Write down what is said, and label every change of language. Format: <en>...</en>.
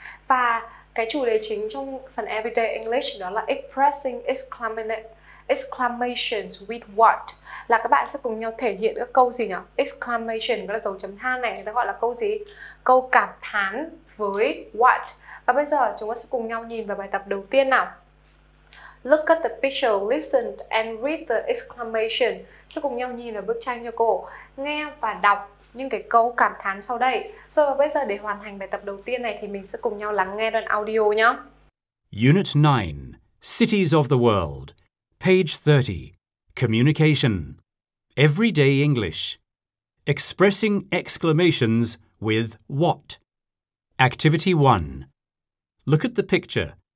<vi>Và cái chủ đề chính trong phần Everyday English đó là Expressing exclamations with what, là các bạn sẽ cùng nhau thể hiện các câu gì nhỉ? Exclamation, đó là dấu chấm than này, người ta gọi là câu gì? Câu cảm thán với what. Và bây giờ chúng ta sẽ cùng nhau nhìn vào bài tập đầu tiên nào.</vi> <en>Look at the picture, listen and read the exclamation.</en> <vi>Sẽ cùng nhau nhìn vào bức tranh cho cô, nghe và đọc những cái câu cảm thán sau đây. Rồi và bây giờ để hoàn thành bài tập đầu tiên này thì mình sẽ cùng nhau lắng nghe đoạn audio nhé.</vi> <en>Unit 9, Cities of the World, page 30, Communication, Everyday English, Expressing exclamations with what. Activity 1. Look at the picture.</en>